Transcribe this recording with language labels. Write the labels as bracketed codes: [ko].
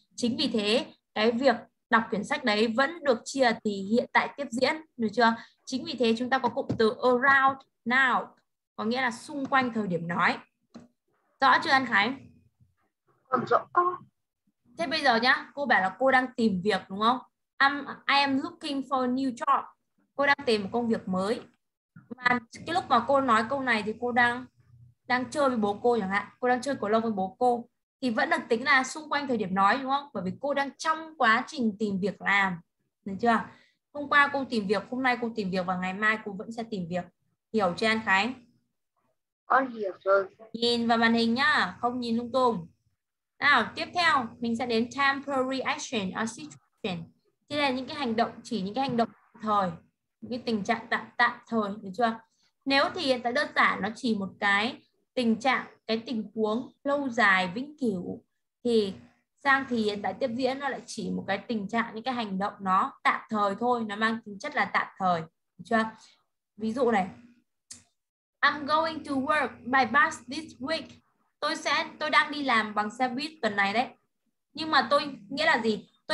[vi] Chính vì thế, cái việc đọc quyển sách đấy vẫn được chia thì hiện tại tiếp diễn, được chưa? Chính vì thế chúng ta có cụm từ [en] around now, [vi] có nghĩa là xung quanh thời điểm nói. Rõ chưa An Khánh? Còn rõ. Thế bây giờ nhá, cô bảo là cô đang tìm việc đúng không? [en] I am looking for a new job. [vi] Cô đang tìm một công việc mới. Và cái lúc mà cô nói câu này thì cô đang chơi với bố cô chẳng hạn. Cô đang chơi cầu lông với bố cô. Thì vẫn được tính là xung quanh thời điểm nói đúng không? Bởi vì cô đang trong quá trình tìm việc làm. Được chưa? Hôm qua cô tìm việc, hôm nay cô tìm việc và ngày mai cô vẫn sẽ tìm việc. Hiểu chưa An Khánh? Con hiểu rồi. Nhìn vào màn hình nhá, không nhìn lung tung. Nào, tiếp theo mình sẽ đến [en] temporary action or situation. [vi] Thế là những cái hành động, chỉ những cái hành động tạm thời, những cái tình trạng tạm thời, được chưa? Nếu thì hiện tại đơn giản nó chỉ một cái tình trạng, cái tình huống lâu dài, vĩnh cửu, thì sang thì hiện tại tiếp diễn nó lại chỉ một cái tình trạng, những cái hành động nó tạm thời thôi, nó mang tính chất là tạm thời, được chưa? Ví dụ này, [en] I'm going to work by bus this week. [vi] Tôi đang đi làm bằng xe buýt tuần này đấy. Nhưng mà tôi, nghĩa là gì?